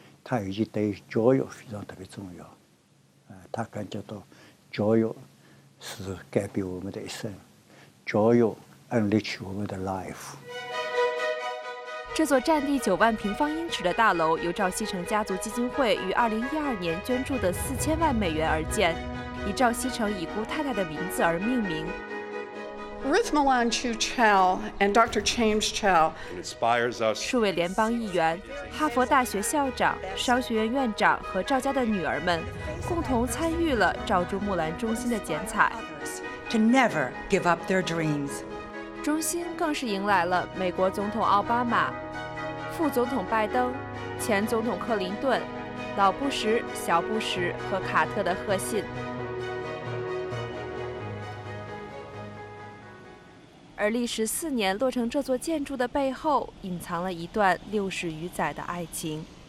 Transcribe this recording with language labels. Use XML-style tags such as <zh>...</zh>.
<zh>他尤其对教育非常特别重要，他感觉到教育是改变我们的一生，教育</zh> <en>unleash</en> <zh>我们的 life。这座占地9万平方英尺的大楼由赵锡成家族基金会于2012年捐助的4000万美元而建，以赵锡成已故太太的名字而命名。</zh> <en>Ruth Malan Chu Chow and Dr. James Chow inspires us.</en> <zh>数位联邦议员、哈佛大学校长、商学院院长和赵家的女儿们共同参与了赵朱木兰中心的剪彩。</zh> <en>To never give up their dreams.</en> <zh>中心更是迎来了美国总统奥巴马、副总统拜登、前总统克林顿、老布什、小布什和卡特的贺信。而历时4年落成这座建筑的背后，隐藏了一段60余载的爱情。</zh>